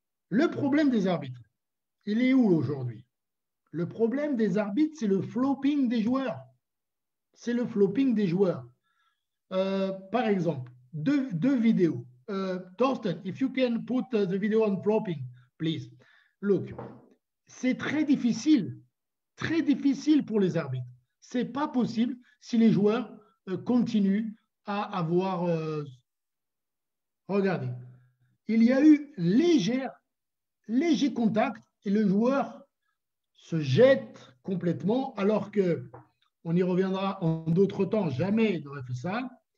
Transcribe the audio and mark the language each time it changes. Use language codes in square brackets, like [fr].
[fr] Le problème des arbitres, il est où aujourd'hui? Le problème des arbitres, c'est le flopping des joueurs. C'est le flopping des joueurs. Par exemple, deux vidéos. [en] Thorsten, if you can put the video on flopping, please. [fr] Look, c'est très difficile pour les arbitres. Ce n'est pas possible si les joueurs continuent à avoir… Regardez, il y a eu léger contact et le joueur se jette complètement alors que… On y reviendra en d'autres temps, jamais il n'aurait fait ça.